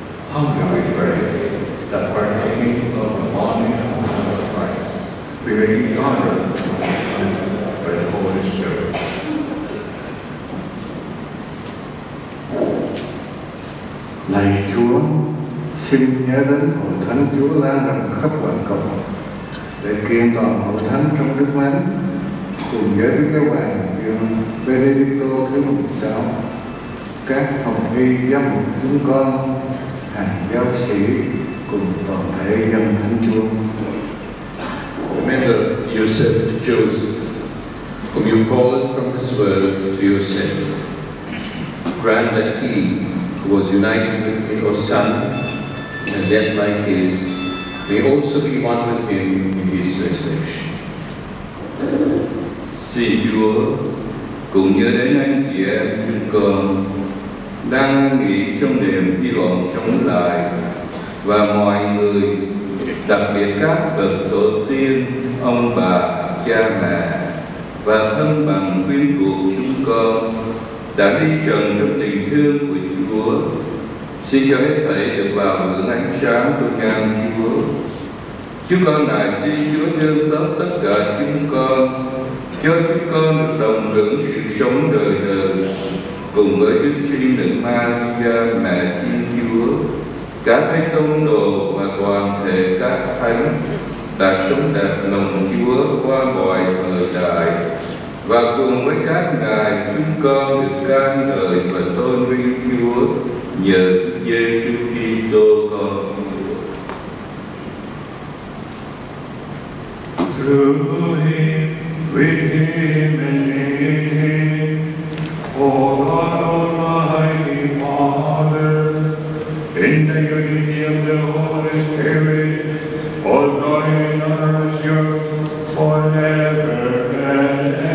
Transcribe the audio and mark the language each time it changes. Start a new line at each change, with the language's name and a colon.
English: Humbly we pray that partaking of the body and of Christ, we may be guarded by the Holy Spirit.
Vietnamese: Lạy Chúa, xin nhớ đến hội thánh Chúa lan rộng khắp toàn cầu để kiện toàn hội thánh trong Đức Thánh cùng với Đức Giáo Hoàng Giăng Benedicto thứ 16, các hồng y giám mục chúng con, hàng giáo sĩ cùng toàn thể dân thánh Chúa.
English: Remember your servant Joseph, whom you called from this world to yourself. Grant that he who was united with your son and death like his, may also be one with him in his resurrection.
Vietnamese: Xin Chúa cùng nhớ đến anh chị em chúng con đang an nghỉ trong niềm hy vọng sống lại và mọi người, đặc biệt các bậc tổ tiên, ông bà, cha mẹ và thân bằng quyến thuộc chúng con đã đi trần trong tình thương của Chúa. Xin cho hết thảy được vào hưởng ánh sáng của cha Chúa. Chúng con lại xin Chúa thương xót tất cả chúng con, cho chúng con được đồng hưởng sự sống đời đời cùng với Đức Trinh Nữ Maria Mẹ Thiên Chúa, cả thánh tông đồ và toàn thể các thánh đã sống đẹp lòng Chúa qua mọi thời đại, và cùng với các ngài chúng con được ca ngợi và tôn vinh Chúa nhờ Giêsu Kitô con Chúa.
English: Through him, with him, and in him, O God Almighty Father, in the unity of the Holy Spirit, all glory and honor is yours forever.